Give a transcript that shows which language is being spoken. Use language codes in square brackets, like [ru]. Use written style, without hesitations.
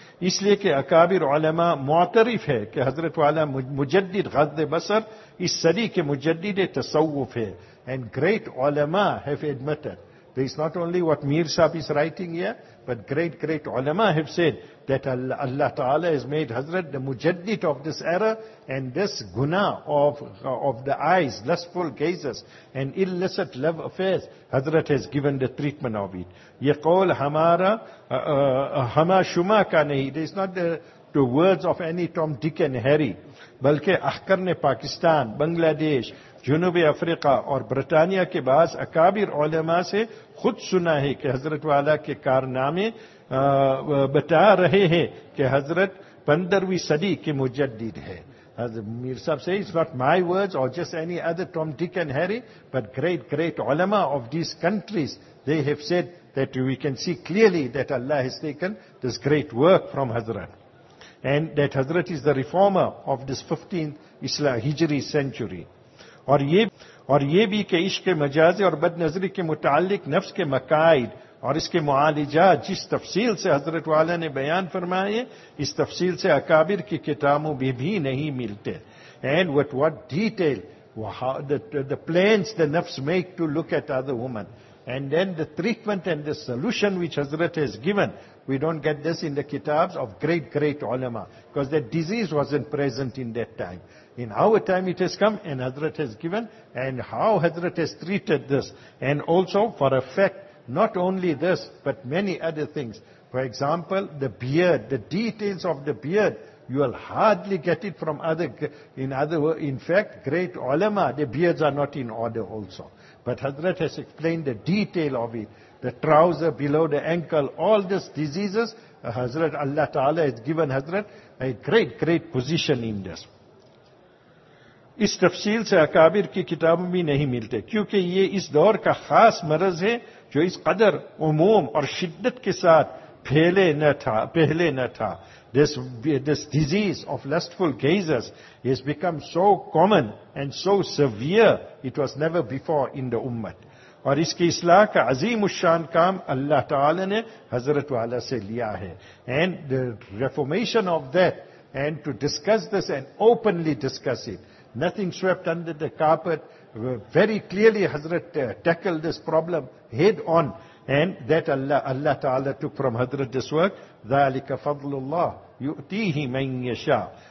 [ur] اس لیے کہ اکابر علماء معترف ہے کہ حضرت والا مجدد غض بصر اس صدی کے مجدد تصوف ہے. [en] And great علماء have admitted. There is not only what Mir Sahib is writing here, but great, great ulama have said that Allah Ta'ala has made Hazrat the mujaddid of this error, and this guna of the eyes, lustful gazes, and illicit love affairs, Hazrat has given the treatment of it. [ur] Ye qawl hamara, hama shuma ka nahi. [en] It is not the words of any Tom, Dick and Harry. [ur] بلکہ احکر نے پاکستان، بنگلہ دیش، جنوب افریقہ اور برطانیہ کے بعض اکابر علماء سے خود سنا ہے کہ حضرت والا کے کارنامے بتا رہے ہیں کہ حضرت 15ویں صدی کے مجدد ہے. میر صاحب سے [en] it's not my words or just any other Tom, Dick and Harry, but great, great علماء of these countries, they have said that we can see clearly that Allah has taken this great work from Hazrat. And that Hazrat is the reformer of this 15th Islam Hijri century. [ur] اور یہ بھی کہ عشق مجازی اور بد نظری کے متعلق نفس کے مقائد اور اس کے معالجات جس تفصیل سے حضرت والا نے بیان فرمائے اس تفصیل سے اکابر کی کتابوں بھی نہیں ملتے. [en] And what detail, the plans the نفس make to look at other women. And then the treatment and the solution which Hazrat has given, we don't get this in the kitabs of great, great ulama. Because that disease wasn't present in that time. In our time it has come and Hazrat has given, and how Hazrat has treated this. And also for a fact, not only this, but many other things. For example, the beard, the details of the beard, you will hardly get it from other, in other words, in fact, great ulama, the beards are not in order also. But Hazrat has explained the detail of it. The trouser below the ankle, all these diseases, Hazrat, Allah Ta'ala has given Hazrat a great, great position in this. [ur] اس تفصیل سے اکابر کی کتابوں بھی نہیں ملتے کیونکہ یہ اس دور کا خاص مرض ہے جو اس قدر عموم اور شدت کے ساتھ pehle na tha, pehle na tha. [en] This disease of lustful gazers has become so common and so severe, it was never before in the ummat. [ur] اور اس کی اصلاح کا عظیم الشان کام اللہ تعالی نے حضرت والا سے لیا ہے. [en] And the reformation of that, and to discuss this and openly discuss it, nothing swept under the carpet, very clearly Hazrat tackled this problem head on, and that Allah تعالی took from Hazrat this work. [ar] ذَلِكَ فَضْلُ اللَّهِ يُؤْتِيهِ مَنْ يَشَاءُ.